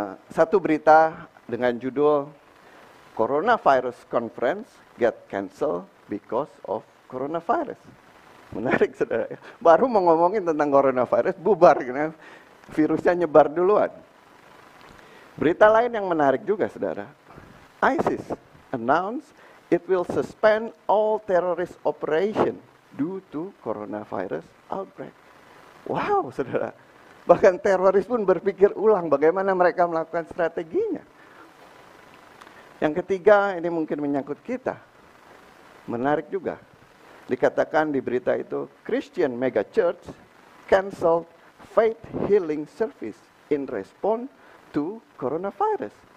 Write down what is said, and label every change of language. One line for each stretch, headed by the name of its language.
Indonesian: Satu berita dengan judul
English: Coronavirus Conference Get Cancelled Because of Coronavirus.
Indonesian: Menarik, saudara. Baru mau ngomongin tentang coronavirus, bubar. Karena virusnya nyebar duluan. Berita lain yang menarik juga, saudara.
English: ISIS announced it will suspend all terrorist operation due to coronavirus outbreak.
Indonesian: Wow, saudara. Bahkan teroris pun berpikir ulang bagaimana mereka melakukan strateginya. Yang ketiga, ini mungkin menyangkut kita. Menarik juga, dikatakan di berita itu,
English: Christian Mega Church canceled faith healing service in response to coronavirus.